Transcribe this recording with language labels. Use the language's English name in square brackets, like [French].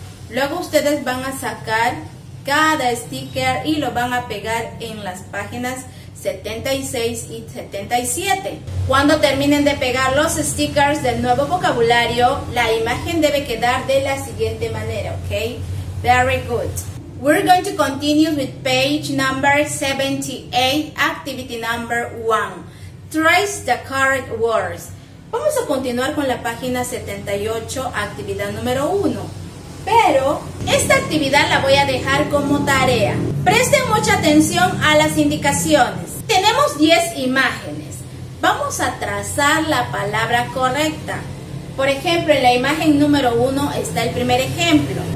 [Spanish] Luego ustedes van a sacar cada sticker y lo van a pegar en las páginas 76 y 77. Cuando terminen de pegar los stickers del nuevo vocabulario, la imagen debe quedar de la siguiente manera, ¿ok? [English] Very good. We're going to continue with page number 78, activity number 1. Trace the correct words. [Spanish] Vamos a continuar con la página 78, actividad número 1. Pero esta actividad la voy a dejar como tarea. Presten mucha atención a las indicaciones. Tenemos 10 imágenes. Vamos a trazar la palabra correcta. Por ejemplo, en la imagen número 1 está el primer ejemplo.